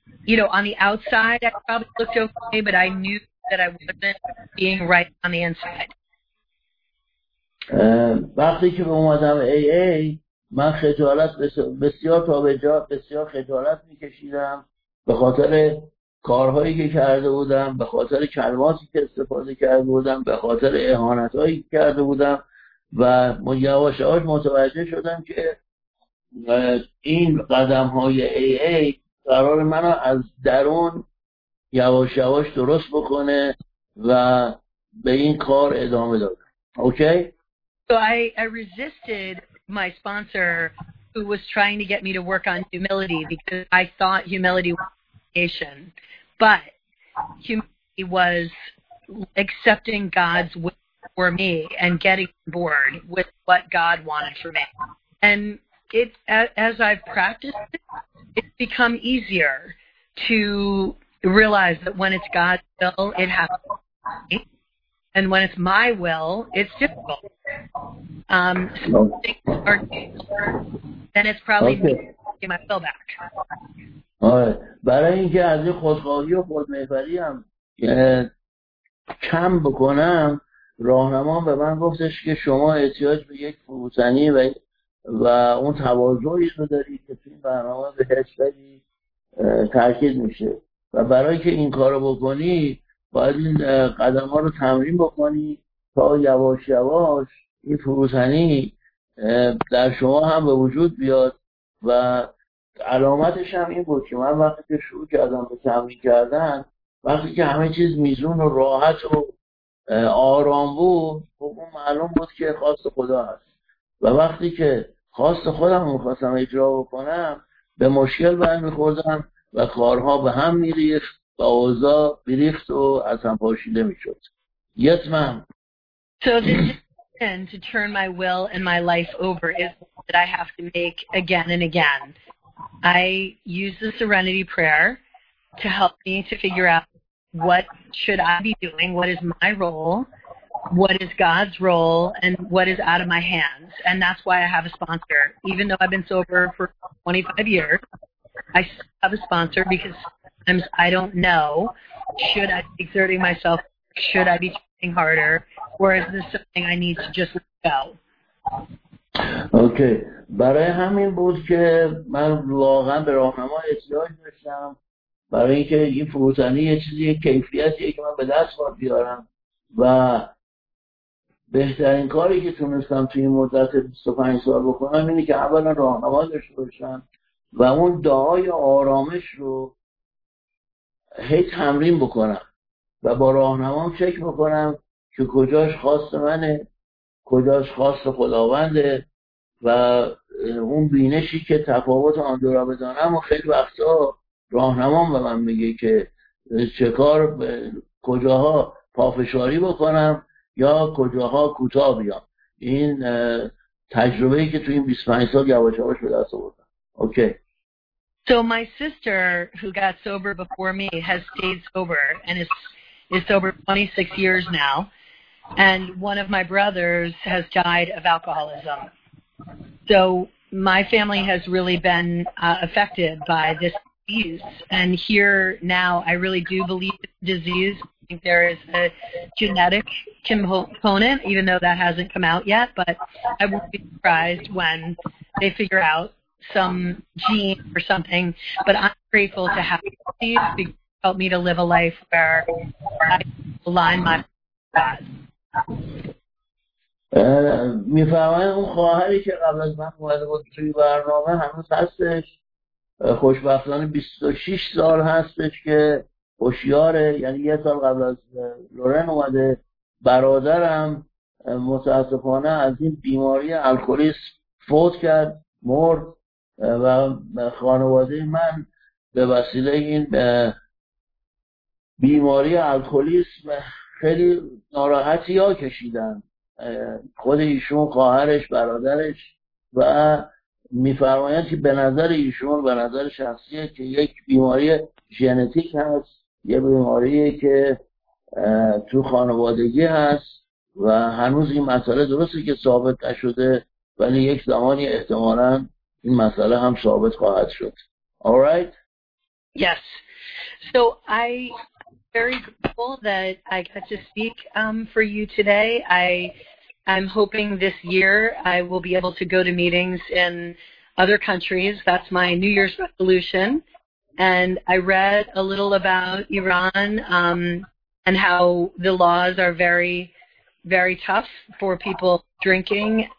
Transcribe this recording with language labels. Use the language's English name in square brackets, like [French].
[English] You know, on the outside, I probably looked okay, but I knew that I wasn't being right on the inside. [Persian] وقتی که به اومدم AA من خجالت بسیار تا به جا بسیار خجالت میکشیدم به خاطر کارهایی که کرده بودم، به خاطر کلماتی که استفاده کرده بودم، به خاطر اهانتهایی که کرده بودم و یواش یواش متوجه شدم که این قدمهای AA قرار منو از درون یواش یواش درست بکنه و به این کار ادامه دادم. اوکی؟ [English] So I resisted my sponsor who was trying to get me to work on humility because I thought humility was humiliation. But humility was accepting God's will for me and getting on board with what God wanted for me. And it, as I've practiced it, it's become easier to realize that when it's God's will, it happens. And when it's my will, it's difficult. So if things are easier, then it's probably okay. Me getting my will back. [Persian] برای اینکه از این خودخواهی و خودمحوری هم کم بکنم، راهنمام به من گفتش که شما احتیاج به یک فروتنی و اون توازنی رو دارید که توی برنامه به هشتگی تاکید میشه، و برای که این کار رو بکنی باید این قدم ها رو تمرین بکنی تا یواش یواش این فروتنی در شما هم به وجود بیاد. و علامتش هم این بود که من وقتی که شروع کردم به تمرین کردن، وقتی که همه چیز میزون و راحت و آرام بود، خب اون معلوم بود که خواست خدا هست. و وقتی که خواست خودم میخواستم اجرا بکنم، به مشکل برمیخوردم و کارها به هم میریخت و اوضاع بریخت و از هم پاشیده میشد. [English] Yes, ma'am. So the decision to turn my will and my life over is that I have to make again and again. I use the Serenity Prayer to help me to figure out what should I be doing, what is my role, what is God's role, and what is out of my hands. And that's why I have a sponsor. Even though I've been sober for 25 years, I still have a sponsor because sometimes I don't know, should I be exerting myself, should I be trying harder, or is this something I need to just let go? [Persian] اوکی. برای همین بود که من واقعا به راهنما احتیاج داشتم، برای اینکه این فروتنی یه چیزی، یه کیفیتیه که من به دست باید بیارم. و بهترین کاری که تونستم توی این مدت 25 سال بکنم اینه که اولا راهنما داشته باشم و اون دعای آرامش رو هی تمرین بکنم و با راهنمام چک بکنم که کجاش خواست منه، کجاش خواست خداونده، و اون بینشی که تفاوت آن دو را بدانم. و خیلی وقتا راهنمام به من میگه که چه کار، کجاها پافشاری بکنم یا کجاها کوتاه بیام. این تجربه ای که تو این 25 سال یواش یواش به دست آوردم. اوکی. [English] So my sister who got sober before me has stayed sober and is sober 26 years now. And one of my brothers has died of alcoholism. So my family has really been affected by this disease. And here now, I really do believe in disease. I think there is a genetic component, even though that hasn't come out yet. But I won't be surprised when they figure out some gene or something. But I'm grateful to have this disease because it helped me to live a life where I align my with God. [Persian] میفهمم اون خواهری که قبل از من اومده بود توی برنامه هنوز هستش، خوشبختانه 26 سال هستش که هوشیاره، یعنی یه سال قبل از لورن اومده. برادرم متاسفانه از این بیماری الکلیسم فوت کرد، مرد، و خانواده من به وسیله این بیماری الکلیسم خیلی ناراحتی ها کشیدن، خود ایشون، خواهرش، برادرش. و میفرماید که به نظر ایشون، به نظر شخصیه که یک بیماری ژنتیک هست، یه بیماریه که تو خانوادگی هست و هنوز این مسئله درسته که ثابت نشده، ولی یک زمانی احتمالاً این مسئله هم ثابت خواهد شد. [English] All right? Yes. So I very grateful that I got to speak for you today. I'm hoping this year I will be able to go to meetings in other countries. That's my New Year's resolution. And I read a little about Iran and how the laws are very, very tough for people drinking.